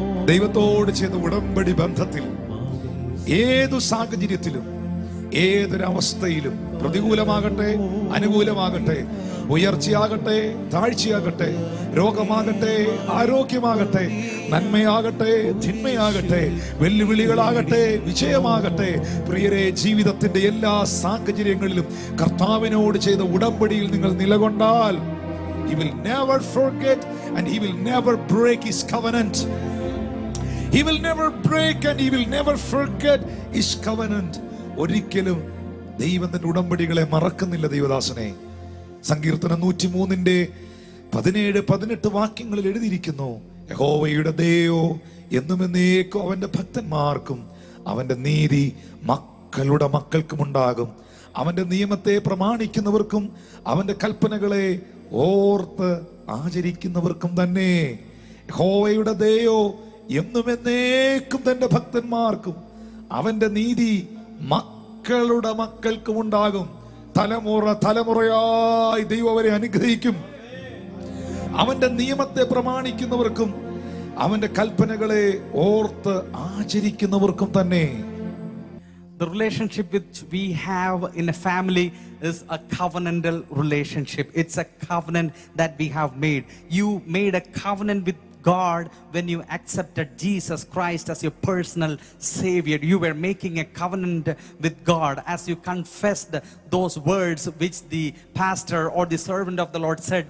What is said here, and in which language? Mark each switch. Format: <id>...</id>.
<ml>ദൈവത്തോട് ചെയ്ത ഉടമ്പടി ബന്ധത്തിൽ ഏതു സാഹചര്യത്തിലും ഏതൊരവസ്ഥയിലും പ്രതികൂലമാകട്ടെ അനുകൂലമാകട്ടെ ഉയർച്ചയാകട്ടെ താഴ്ചയാകട്ടെ രോഗമാകട്ടെ ആരോഗ്യമാകട്ടെ നന്മയാകട്ടെ തിന്മയാകട്ടെ വെല്ലുവിളികളാകട്ടെ വിജയമാകട്ടെ പ്രിയരെ ജീവിതത്തിന്റെ എല്ലാ സാഹചര്യങ്ങളിലും കർത്താവിനോട് ചെയ്ത ഉടമ്പടിയിൽ നിങ്ങൾ നിലകൊണ്ടാൽ</ml> <en>He will never forget and he will never break his covenant. He will never break and he will never forget his covenant.</en> <ml>ഒരിക്കലും ദൈവത്തിന്റെ ഉടമ്പടികളെ മറക്കുന്നില്ല ദൈവദാസനെ. സങ്കീർത്തനം 103:17-18 വാക്യങ്ങളിൽ എഴുതിയിരിക്കുന്നു. യഹോവയുടെ ദയയോ എന്നുമെന്നേക്കും അവന്റെ ഭക്തന്മാർക്കും അവന്റെ നീതി മക്കളുടെ മക്കൾക്കും ഉണ്ടാകും. അവന്റെ നിയമത്തെ പ്രമാണിക്കുന്നവർക്കും അവന്റെ കൽപ്പനകളെ ഓർത്ത് ആചരിക്കുന്നവർക്കും തന്നെ യഹോവയുടെ ദയയോ എന്നും എന്നേക്കും തന്റെ ഭക്തന്മാർക്കും അവന്റെ നീതി മക്കളുടെ മക്കൾക്കും ഉണ്ടാകും. തലമുറ തലമുറയായി ദൈവം അവരെ അനുഗ്രഹിക്കും. അവന്റെ നിയമത്തെ പ്രമാണിക്കുന്നവർക്കും അവന്റെ കൽപ്പനകളെ ഓർത്ത് ആചരിക്കുന്നവർക്കും തന്നെ.</ml> <en>The relationship which we have in a family is a covenantal relationship. It's a covenant that we have made. You made a covenant with God when you accepted Jesus Christ as your personal savior. You were making a covenant with God as you confessed those words which the pastor or the servant of the Lord said.</en>